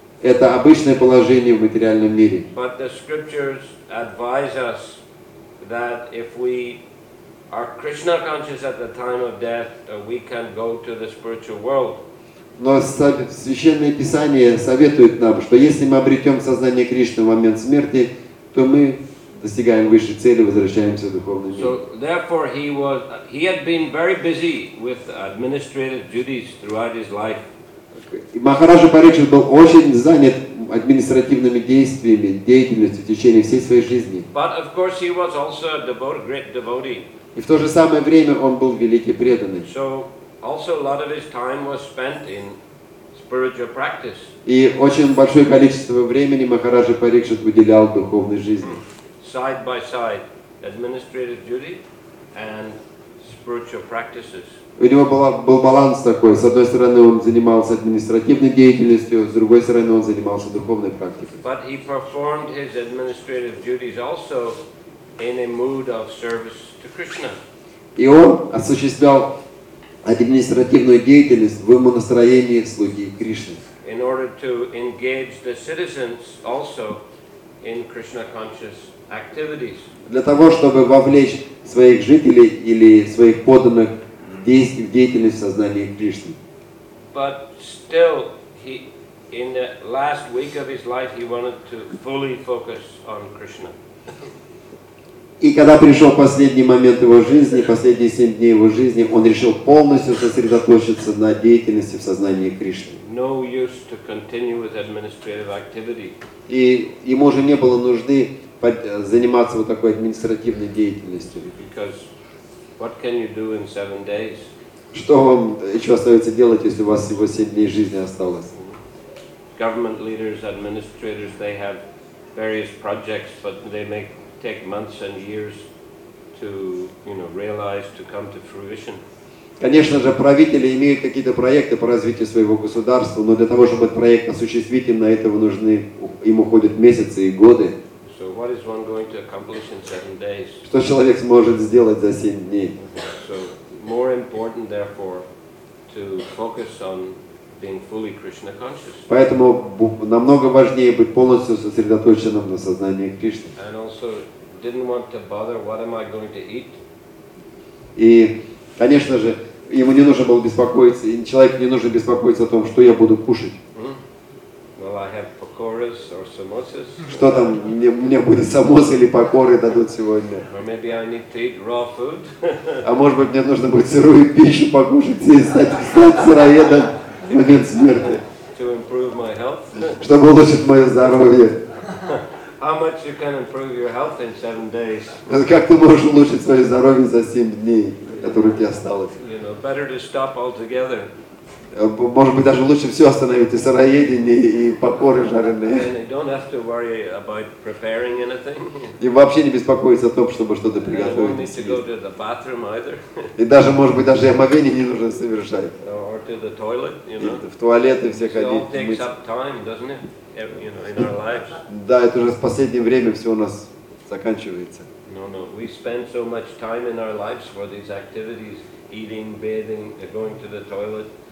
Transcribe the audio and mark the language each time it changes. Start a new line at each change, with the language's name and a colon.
Russian: Это обычное положение в материальном мире.
English: But the scriptures advise us that if we are Krishna conscious at the time of death, we can go to the spiritual world.
Russian: Но Священное Писание советует нам, что если мы обретем сознание Кришны в момент смерти, то мы достигаем высшей цели, возвращаемся в духовный мир.
English: So therefore he had been very busy with administrative duties throughout his life.
Russian: Махараджа Парикшит был очень занят административными действиями, деятельностью в течение всей своей жизни.
English: But of course he was also a devotee, great devotee.
Russian: И в то же самое время он был великий преданный.
English: So also a lot of his time was spent in spiritual practice.
Russian: И очень большое количество времени Махараджа Парикшит уделял духовной жизни.
English: Side by side, administrative duty and spiritual practices.
Russian: У него был баланс такой. С одной стороны, он занимался административной деятельностью, с другой стороны, он занимался духовной практикой.
English: But he performed his administrative duties also in a mood of service to Krishna.
Russian: И он осуществлял административную деятельность в его настроении слуги Кришны.
English: In order to engage the citizens also in Krishna conscious activities.
Russian: Для того, чтобы вовлечь своих жителей или своих подданных в деятельность сознания Кришны.
English: But still, he in the last week of his life, he wanted to fully focus on Krishna.
Russian: И когда пришел последний момент его жизни, последние 7 дней его жизни, он решил полностью сосредоточиться на деятельности в сознании Кришны.
English: No use to continue with administrative activity.
Russian: И ему уже не было нужды заниматься вот такой административной деятельностью.
English: Because what can you do in 7 days?
Russian: Что вам еще остается делать, если у вас всего 7 дней жизни осталось?
English: Government leaders, administrators, they have various projects, but they make take months and years to, you know, realize, to come to fruition.
Russian: Конечно же, правители имеют какие-то проекты по развитию своего государства, но для того, чтобы этот проект осуществить, им на это нужны, им уходят месяцы и годы.
English: So what is one going to accomplish in 7 days?
Russian: Что человек сможет сделать за 7 дней?
English: So more important, therefore, to focus on being fully Krishna conscious.
Russian: Поэтому намного важнее быть полностью сосредоточенным на сознании Кришны.
English: And also didn't want to bother, what am I going to eat?
Russian: И, конечно же, ему не нужно было беспокоиться, и человеку не нужно беспокоиться о том, что я буду кушать.
English: Mm-hmm. Well, I have pakoras or samosas.
Russian: Что там, мне будет самосы или пакоры дадут сегодня?
English: Or maybe I need to eat raw food.
Russian: А может быть, мне нужно будет сырую пищу покушать и стать сыроедом.
English: To improve my health.
Russian: Чтобы улучшить мое здоровье.
English: How much you can improve your health in 7 days?
Russian: Как ты можешь улучшить свое здоровье за 7 дней, которые у тебя осталось?
English: You know, better to stop altogether.
Russian: Может быть, даже лучше все остановить, и сыроедение, и покоры жареные.
English: And don't have to worry about preparing anything.
Russian: И вообще не беспокоиться о том, чтобы что-то приготовить.
English: And don't need to go to the bathroom either.
Russian: И даже, может быть, даже омовение не нужно совершать.
English: Or to the toilet, you know.
Russian: В туалет и все ходить.
English: It all takes up time, doesn't it? You know, in our lives.
Russian: Да, это уже в последнее время все у нас заканчивается.
English: No. We spend so much time in our lives for these activities, eating, bathing, going to the toilet.